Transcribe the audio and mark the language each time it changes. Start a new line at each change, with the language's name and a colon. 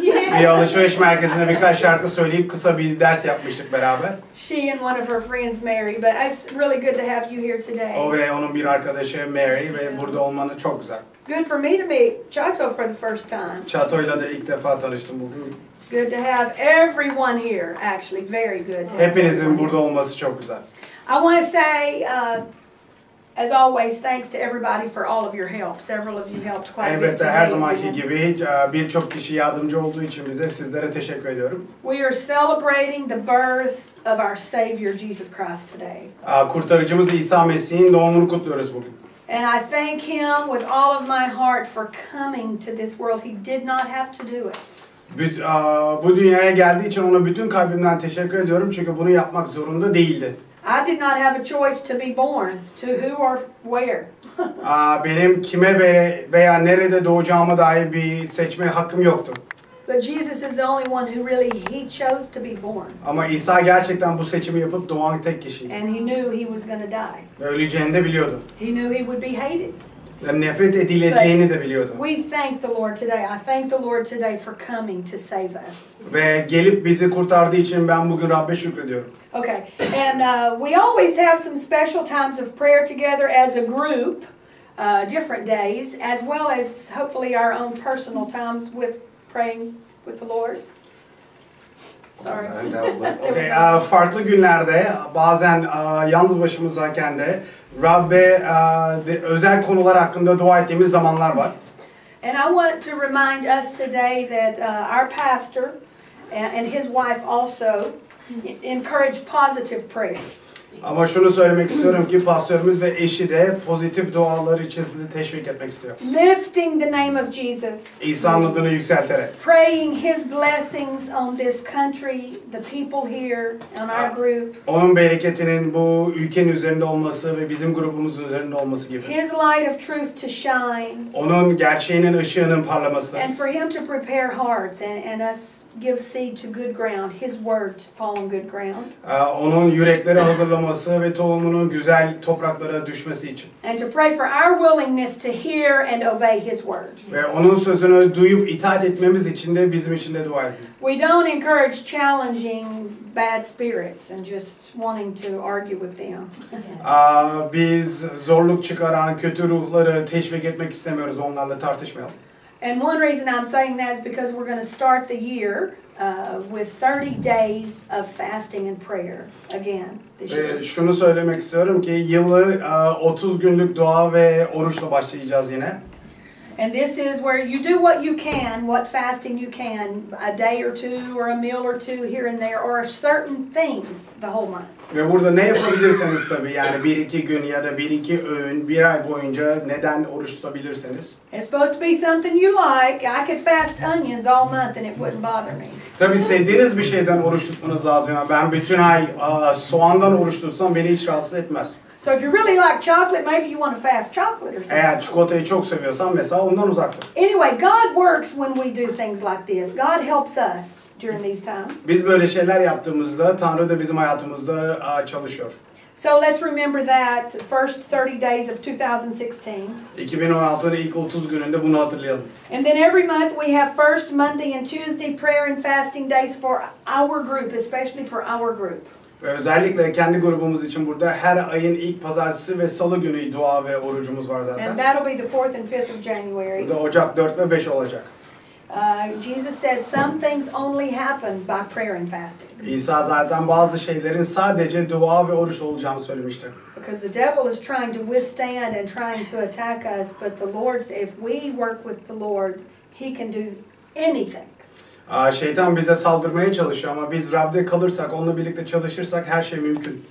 Turkish: Bir alışveriş merkezinde birkaç şarkı söyleyip kısa bir ders yapmıştık beraber.
English: She and one of her friends, Mary. But it's really good to have you here today.
Turkish: O ve onun bir arkadaşı Mary ve burada olmanı çok güzel.
English: Good for me to meet Chato for the first time.
Turkish: Chato'yla da ilk defa tanıştım bugün.
English: Good to have everyone here, actually. Very good.
Turkish: Hepinizin burada olması çok güzel.
English: I want to say, as always, thanks to everybody for all of your help. Several of you helped quite a bit today.
Turkish: Her zamanki gibi birçok kişi yardımcı olduğu için bize sizlere teşekkür ediyorum.
English: We are celebrating the birth of our Savior, Jesus Christ, today.
Turkish: Kurtarıcımız İsa Mesih'in doğumunu kutluyoruz bugün.
English: And I thank him with all of my heart for coming to this world. He did not have to do it.
Turkish: Bu dünyaya geldiği için ona bütün kalbimden teşekkür ediyorum çünkü bunu yapmak zorunda değildi.
English: I did not have a choice to be born, to who or where.
Turkish: Benim kime veya nerede doğacağıma dair bir seçme hakkım yoktu.
English: But Jesus is the only one who really he chose to be born.
Turkish: Ama İsa gerçekten bu seçimi yapıp doğan tek kişiydi.
English: And he knew he was going to die.
Turkish: Ve öleceğini de biliyordu.
English: He knew he would be hated.
Turkish: Nefret edileceğini de biliyordu.
English: We thank the Lord today. I thank the Lord today for coming to save us.
Turkish: Ve gelip bizi kurtardığı için ben bugün Rabb'e şükrediyorum.
English: Okay. And we always have some special times of prayer together as a group, different days, as well as hopefully our own personal times with praying with the Lord. Sorry. Okay.
Turkish: Farklı günlerde bazen yalnız başımızayken de Rabb'e özel konular hakkında dua ettiğimiz zamanlar var.
English: And I want to remind us today that our pastor and his wife also encourage positive prayers.
Turkish: Ama şunu söylemek istiyorum ki pastörümüz ve eşi de pozitif dualar için sizi teşvik etmek istiyor.
English: Lifting the name of Jesus.
Turkish: İsa'nın adını yükselterek.
English: Praying his blessings on this country, the people here, on our group.
Turkish: Onun bereketinin bu ülkenin üzerinde olması ve bizim grubumuzun üzerinde olması gibi.
English: His light of truth to shine.
Turkish: Onun gerçeğinin ışığının parlaması.
English: And for him to prepare hearts and us give seed to good ground, his word to fall on good ground.
Turkish: Onun yürekleri hazırlaması ve tohumunun güzel topraklara düşmesi için.
English: And to pray for our willingness to hear and obey his word.
Turkish: Ve onun sözünü duyup itaat etmemiz için de bizim için de dua edin.
English: We don't encourage challenging bad spirits and just wanting to argue with them.
Turkish: Biz zorluk çıkaran kötü ruhları teşvik etmek istemiyoruz, onlarla tartışmayalım.
English: And one reason I'm saying that is because we're going to start the year with 30 days of fasting and prayer again this year.
Turkish: Şunu söylemek istiyorum ki yılı 30 günlük dua ve oruçla başlayacağız yine.
English: And this is where you do what you can, what fasting you can, a day or two or a meal or two here and there or certain things the whole month.
Turkish: Ve burada ne yapabilirseniz tabii yani bir iki gün ya da bir iki öğün bir ay boyunca neden oruç tutabilirseniz.
English: It's supposed to be something you like. I could fast onions all month and it wouldn't bother me.
Turkish: Tabii sevdiğiniz bir şeyden oruç tutmanız lazım. Yani ben bütün ay soğandan oruç tutsam beni hiç rahatsız etmez.
English: So if you really like chocolate, maybe you want to fast chocolate or something.
Turkish: Eğer çikolatayı çok seviyorsan mesela ondan uzak dur.
English: Anyway, God works when we do things like this. God helps us during these times.
Turkish: Biz böyle şeyler yaptığımızda Tanrı da bizim hayatımızda çalışıyor.
English: So let's remember that first 30 days of 2016.
Turkish: 2016'ın ilk 30 gününde bunu hatırlayalım.
English: And then every month we have first Monday and Tuesday prayer and fasting days for our group, especially for our group.
Turkish: Ve özellikle kendi grubumuz için burada her ayın ilk pazartesi ve salı günü dua ve orucumuz var zaten.
English: And that'll be the 4th and 5th of January.
Turkish: Bu da Ocak 4 ve 5 olacak.
English: Jesus said some things only happen by prayer and fasting.
Turkish: İsa zaten bazı şeylerin sadece dua ve oruç olacağını söylemişti.
English: Because the devil is trying to withstand and trying to attack us, but the Lord, if we work with the Lord, he can do anything.
Turkish: Şeytan bize saldırmaya çalışıyor ama biz Rab'de kalırsak, onunla birlikte çalışırsak her şey mümkün.